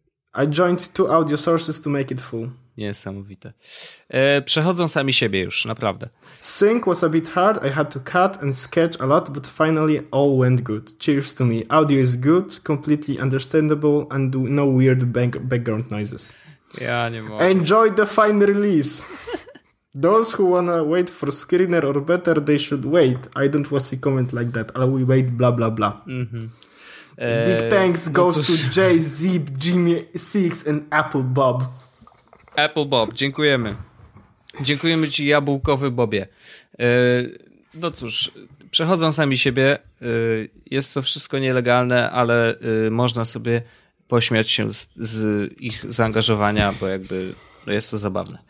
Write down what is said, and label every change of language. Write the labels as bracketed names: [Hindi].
[English] Okay. I joined two audio sources to make it full. [Polish] Niesamowite. Przechodzą sami siebie już, naprawdę. [English] Sync was a bit hard, I had to cut and sketch a lot, but finally all went good. Cheers to me. Audio is good, completely understandable and no weird background noises. [Polish] Ja nie mogę. [English] Enjoy the fine release. Those who wanna wait for screener or better, they should wait. I don't want to see comment like that. I'll we wait, bla bla bla. Mm-hmm. Big thanks goes to Jay, Zip, Jimmy Six and Apple Bob. [Polish] Apple Bob, dziękujemy. Dziękujemy ci, jabłkowy Bobie. No cóż, przechodzą sami siebie. Jest to wszystko nielegalne, ale można sobie pośmiać się z ich zaangażowania, bo jakby jest to zabawne.